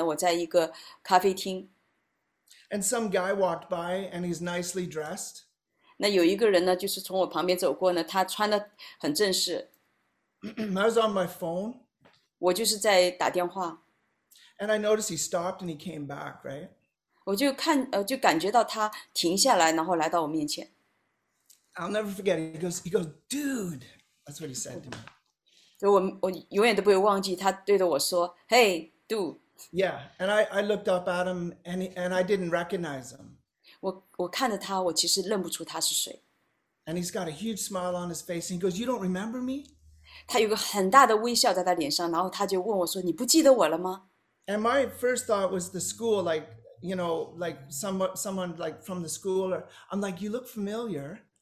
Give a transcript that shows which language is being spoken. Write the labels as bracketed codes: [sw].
[zh] 那我就是接下来讲的，我就要控制我自己不会哭。在两周以前呢，我在一个咖啡厅。 [en] And some guy walked by, and he's nicely dressed. [zh] 那有一个人呢，就是从我旁边走过呢，他穿的很正式。 [en] I was on my phone. [zh] 我就是在打电话。 [en] And I noticed he stopped and he came back, right? [zh] 我就感觉到他停下来，然后来到我面前。 [en] I'll never forget it. He goes, "Dude," that's what he said to me. [zh] 我永远都不会忘记，他对着我说， [en] "Hey, dude." Yeah, and I looked up at him, and I didn't recognize him. [zh] 我看着他，我其实认不出他是谁。 [en] And he's got a huge smile on his face, and he goes, "You don't remember me?" [zh] 他有个很大的微笑在他脸上，然后他就问我说，你不记得我了吗？ [en] And my first thought was the school, like, you know, like someone like from the school, or I'm like, "You look familiar."